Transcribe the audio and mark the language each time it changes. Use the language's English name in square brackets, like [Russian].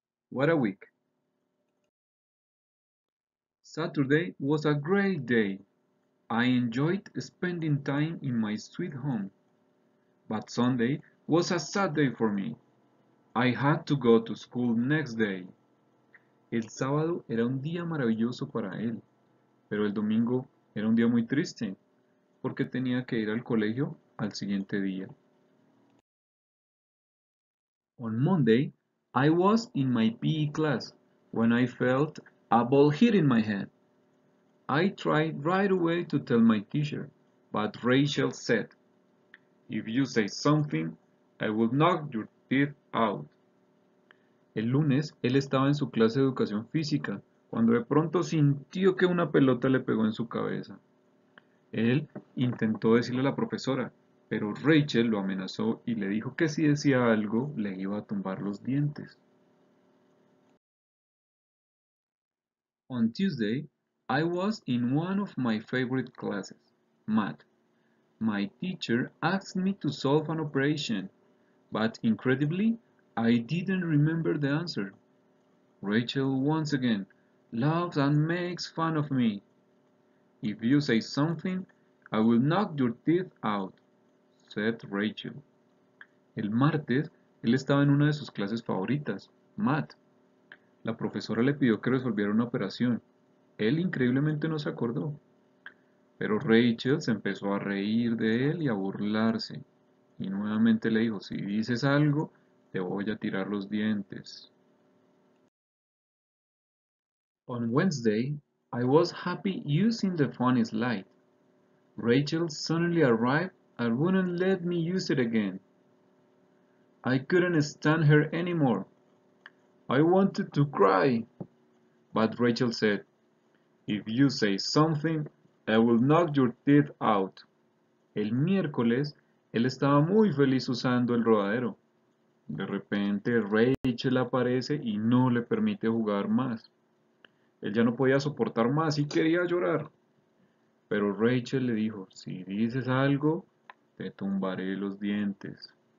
[English] What a week. Saturday was a great day. I enjoyed spending time in my sweet home. But Sunday was a sad day for me. I had to go to school next day. [Spanish] El sábado era un día maravilloso para él, pero el domingo era un día muy triste, porque tenía que ir al colegio al siguiente día. [English] On Monday, I was in my PE class when I felt a ball hit in my head. I tried right away to tell my teacher, but Rachel said, "If you say something, I will knock your teeth out." [Spanish] El lunes, él estaba en su clase de educación física cuando de pronto sintió que una pelota le pegó en su cabeza. Él intentó decirle a la profesora, pero Rachel lo amenazó y le dijo que si decía algo, le iba a tumbar los dientes. [English] On Tuesday, I was in one of my favorite classes, math. My teacher asked me to solve an operation, but incredibly, I didn't remember the answer. Rachel, once again, laughs and makes fun of me. "If you say something, I will knock your teeth out," said Rachel. [Spanish] El martes, él estaba en una de sus clases favoritas, math. La profesora le pidió que resolviera una operación. Él increíblemente no se acordó. Pero Rachel se empezó a reír de él y a burlarse. Y nuevamente le dijo, "Si dices algo, te voy a tirar los dientes." [English] On Wednesday, I was happy using the funny slide. Rachel suddenly arrived and wouldn't let me use it again. I couldn't stand her anymore. I wanted to cry. But Rachel said, "If you say something, I will knock your teeth out." [Spanish] El miércoles, él estaba muy feliz usando el rodadero. De repente, Rachel aparece y no le permite jugar más. Él ya no podía soportar más y quería llorar. Pero Rachel le dijo, "Si dices algo, te tumbaré los dientes."